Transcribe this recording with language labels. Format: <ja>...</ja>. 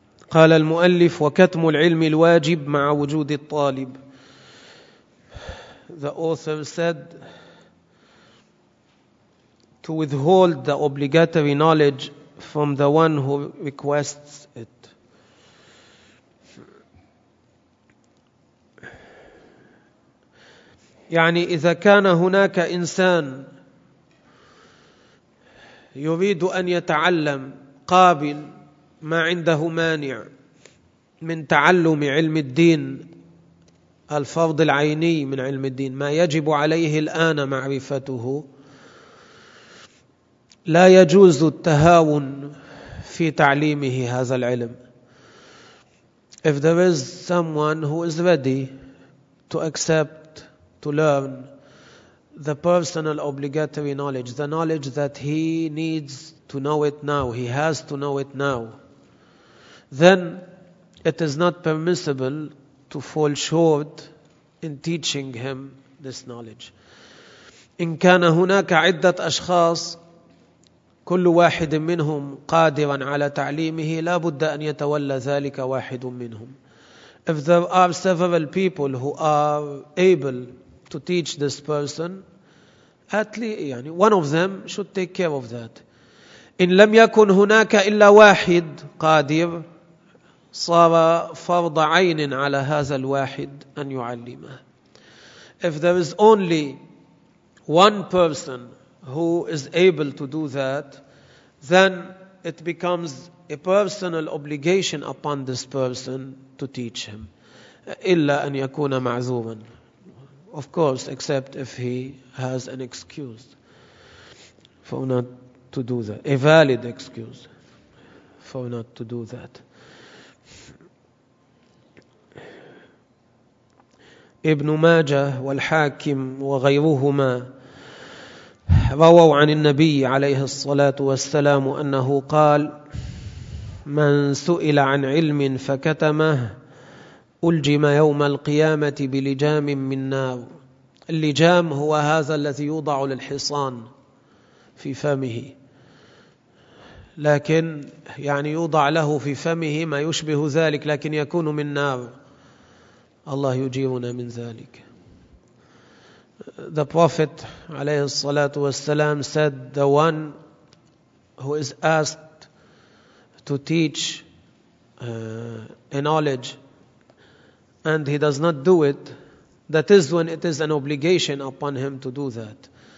<ar>قال المؤلف وكتم العلم الواجب مع وجود الطالب.</ar> <en>The author said, to withhold the obligatory knowledge from the one who requests it.</en> <ar>يعني إذا كان هناك إنسان يريد أن يتعلم قابل ما عنده مانع من تعلم علم الدين الفرض العيني من علم الدين ما يجب عليه الآن معرفته لا يجوز التهاون في تعليمه هذا العلم.</ar> <en>If there is someone who is ready to accept, to learn the personal obligatory knowledge, the knowledge that he needs to know it now, he has to know it now, then it is not permissible to fall short in teaching him this knowledge.</en> <ar>إن كان هناك عدة أشخاص كل واحد منهم قادرا على تعليمه لا بد أن يتولى ذلك واحد منهم.</ar> <en>If there are several people who are able to teach this person, at least</en> <ar>يعني,</ar> <en>one of them should take care of that.</en> <ar>إن لم يكن هناك إلا واحد قادر صار فرض عين على هذا الواحد أن يعلمه.</ar> <en>If there is only one person who is able to do that, then it becomes a personal obligation upon this person to teach him.</en> <ar>إلا أن يكون معذورا.</ar> <en>Of course, except if he has an excuse for not to do that. A valid excuse for not to do that.</en> <ar>ابن ماجه والحاكم وغيرهما رووا عن النبي عليه الصلاة والسلام أنه قال من سئل عن علم فكتمه ألجم يوم القيامة بلجام من نار. اللجام هو هذا الذي يوضع للحصان في فمه, لكن يعني يوضع له في فمه ما يشبه ذلك لكن يكون من نار. الله يجيرنا من ذلك.</ar> <en>The Prophet</en> <ar>عليه الصلاة والسلام</ar> <en>said, the one who is asked to teach a knowledge and he does not do it, that is when it is an obligation upon him to do that.</en>